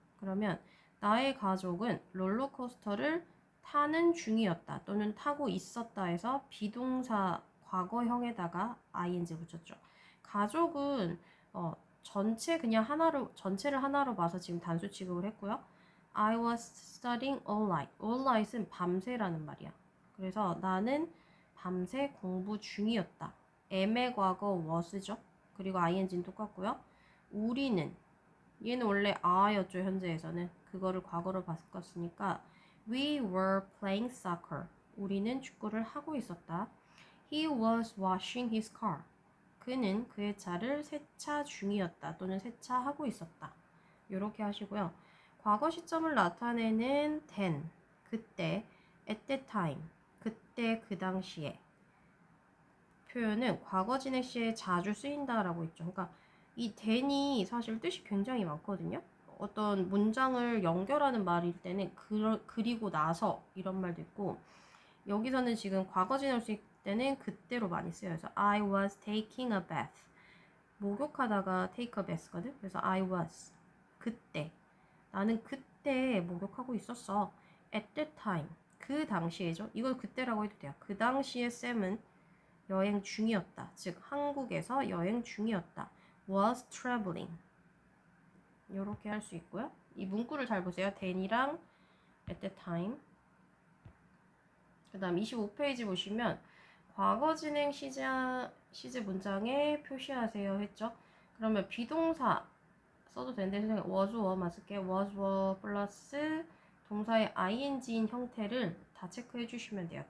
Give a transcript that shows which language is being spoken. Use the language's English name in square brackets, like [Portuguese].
[Korean] 그러면 나의 가족은 롤러코스터를 타는 중이었다. 또는 타고 있었다 해서 비동사 과거형에다가 ing 붙였죠. 가족은 전체 그냥 하나로 전체를 하나로 봐서 지금 단수 취급을 했고요. [English] I was studying all night. [Korean] All night은 밤새라는 말이야. 그래서 나는 밤새 공부 중이었다. am의 과거 was죠. 그리고 ing는 똑같고요. 우리는 얘는 원래 are였죠. 현재에서는 그거를 과거로 바꿨으니까 [English] We were playing soccer. [Korean] 우리는 축구를 하고 있었다. [English] He was washing his car. [Korean] 그는 그의 차를 세차 중이었다 또는 세차하고 있었다. 이렇게 하시고요. 과거 시점을 나타내는 then, 그때, at that time, 그때 그 당시에 표현은 과거 진행 시에 자주 쓰인다라고 했죠. 그러니까 이 then이 사실 뜻이 굉장히 많거든요. 어떤 문장을 연결하는 말일 때는 그리고 나서 이런 말도 있고 여기서는 지금 과거 진행 시 때는 그때로 많이 쓰여서 [English] I was taking a bath. [Korean] 목욕하다가 take a bath거든. 그래서 I was 그때 나는 그때 목욕하고 있었어. [English] At that time [Korean] 그 당시에죠. 이걸 그때라고 해도 돼요. 그 당시에 샘은 여행 중이었다. 즉 한국에서 여행 중이었다. [English] Was traveling. [Korean] 이렇게 할수 있고요. 이 문구를 잘 보세요. [English] then이랑 at that time. [Korean] 그다음 25페이지 보시면 과거 진행 시제 문장에 표시하세요 했죠? 그러면 비동사 써도 되는데, was, were 맞을게요. was, were, plus 동사의 ing인 형태를 다 체크해 주시면 돼요.